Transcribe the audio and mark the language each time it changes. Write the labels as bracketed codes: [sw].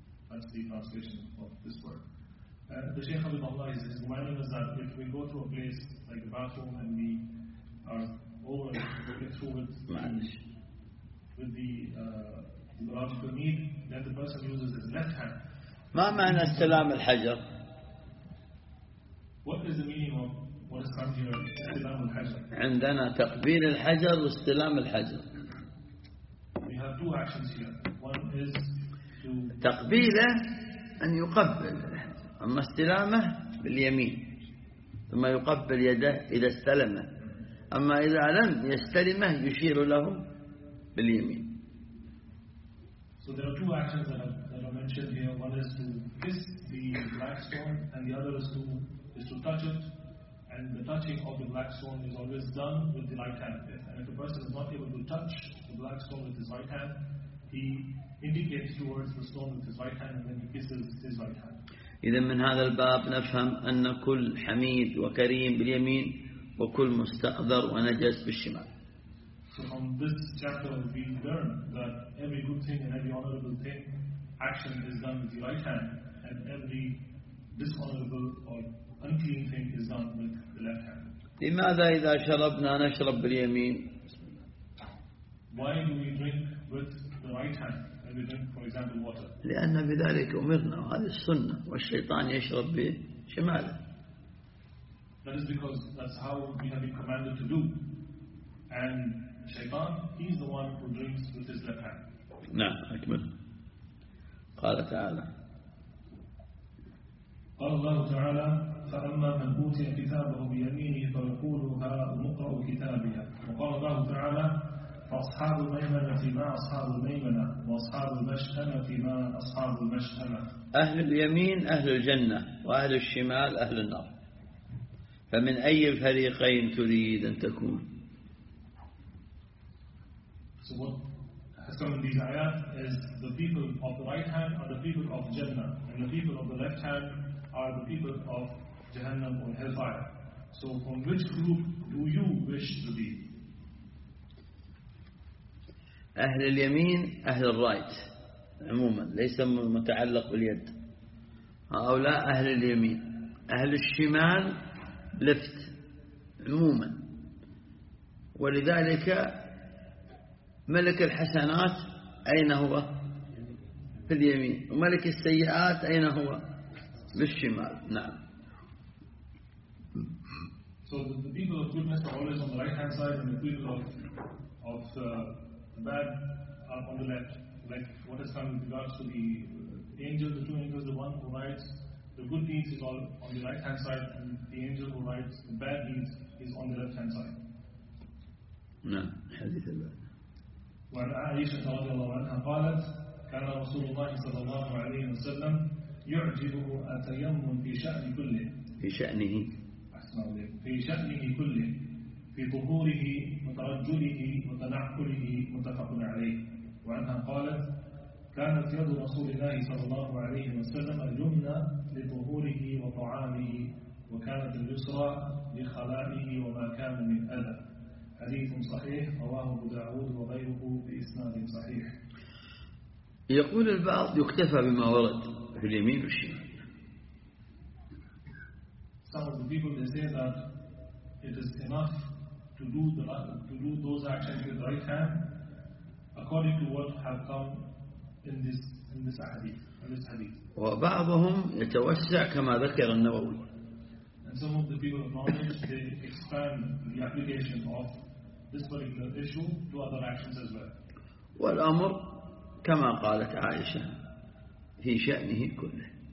[en] That's the translation of this word. The Shaykh of Allah is reminding us that if we go to a place like a bathroom and we are over looking through it with the biological need, then the person uses his left hand. [ar] ما معنى استلام الحجر? [en] What is the meaning of what is come here, استلام الحجر? [ar] عندنا تقبيل الحجر واستلام الحجر. [en] We have two actions here. One is to [ar] تقبيله أن يقبل. أما استلامه باليمين ثم يقبل يده إذا استلمه، أما إذا لم يستلمه يشير له باليمين. [en] So there are two actions that are mentioned here. One is to kiss the black stone and the other is to touch it. And the touching of the black stone is always done with the right hand. And if a person is not able to touch the black stone with his right hand, he indicates towards the stone with his right hand and then he kisses his right hand. [ar] إذا من هذا الباب نفهم أن كل حميد وكريم باليمين وكل مستقذر ونجس بالشمال. [en] So from this chapter we learn that every good thing and every honorable thing action is done with the right hand and every dishonorable or unclean thing is done with the left hand. [ar] لماذا إذا شربنا نشرب باليمين? [en] Why do we drink with the right hand? For example, [ar] لأن بذلك أمرنا وهذه السنة والشيطان يشرب بشماله. [en] That is because that's how we have been commanded to do. And Shaytan, he's the one who drinks with his left hand. [ar] نعم أكمل. قال تعالى. قال الله تعالى فأما من أوتي كتابه بيمينه فيقول هاؤم اقرأوا كتابيا. وقال الله تعالى فأصحاب الميمنة ما أصحاب الميمنة وأصحاب المشأمة ما أصحاب المشأمة. أهل اليمين أهل الجنة وأهل الشمال أهل النار، فمن أي الفريقين تريد أن تكون؟ [en] So what some of these ayat is the people of the right hand are the people of Jannah and the people of the left hand are the people of Jahannam or Hellfire. So from which group do you wish to be? [ar] أهل اليمين أهل الرايت عموما ليس متعلق باليد، هؤلاء أهل اليمين. أهل الشمال لفت عموما، ولذلك ملك الحسنات أين هو؟ في اليمين. وملك السيئات أين هو؟ بالشمال. نعم. [en] So the people of goodness are always on the right hand side and the people of bad are on the left. Like what has come in regards to the angel, the two angels, the one who writes the good deeds is all on the right hand side and the angel who writes the bad deeds is on the left hand side. No, hadith al-Bad. [ar] وعن عائشة رضي الله عنها قالت كان رسول الله صلى الله عليه وسلم يعجبه التيمم في شأن كله في شأنه في شأنه كله في ظهوره وترجله وتنعقله متفق عليه. وعنها قالت كانت يد رسول الله صلى الله عليه وسلم اليمنى لظهوره وطعامه وكانت اليسرى لخلائه وما كان من أذى. حديث صحيح رواه أبو داود وغيره بإسناد صحيح. يقول البعض يكتفى بما ورد في اليمين والشمال. [en] Some of the people say that it is enough to do those actions with right hand according to what have come in this hadith. [ar] وبعضهم يتوسع كما ذكر النووي. [en] And some of the people of knowledge they expand the application of this particular issue to other actions as well. [ar] والأمر كما قالت عائشة في شأنه كله.